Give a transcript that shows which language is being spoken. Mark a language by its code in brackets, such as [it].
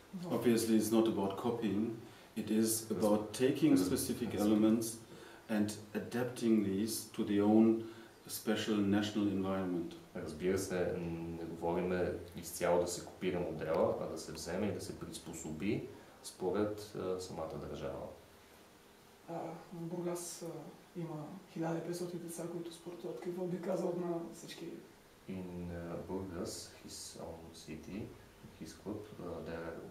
[en] Obviously it's not about copying, it is about taking specific elements and adapting these to the own special national environment. [bg] Разбира се, не говорим изцяло да се копира модела, а да се вземе и да се приспособи според самата държава. В Бургас има 1500 деца, които спортуват. Какво би казал на всички? [en] In Bургас, his own city, his club, there